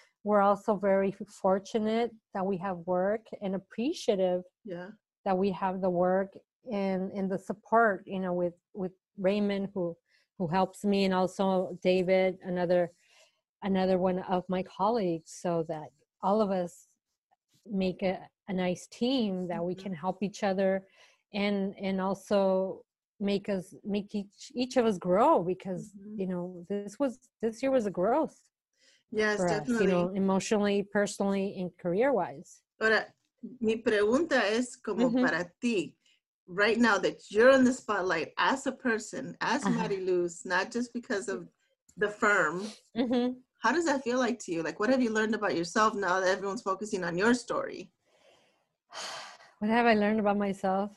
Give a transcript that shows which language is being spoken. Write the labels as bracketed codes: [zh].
[en] We're also very fortunate that we have work and appreciative that we have the work and the support, you know, with Raymond who helps me, and also David, another one of my colleagues, so that all of us make a nice team that we can help each other and also make each of us grow, because mm-hmm. you know, this year was a growth. Yes, for definitely. Us, you know, emotionally, personally, and career wise. [es] Ahora, mi pregunta es como mm-hmm. para ti. [en] Right now that you're in the spotlight as a person, as uh-huh. Mary Luz, not just because of the firm, mm-hmm. how does that feel like to you? Like, what have you learned about yourself now that everyone's focusing on your story? What have I learned about myself?